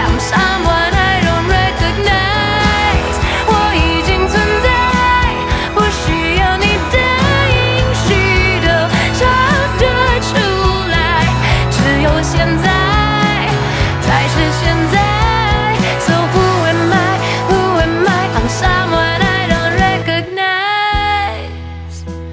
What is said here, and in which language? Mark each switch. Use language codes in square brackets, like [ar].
[en] I'm someone I don't recognize。 [zh] 我已经存在，不需要你的允许，都唱得出来，只有现在才是现在。 [en] So who am I? Who am I? I'm someone I don't recognize。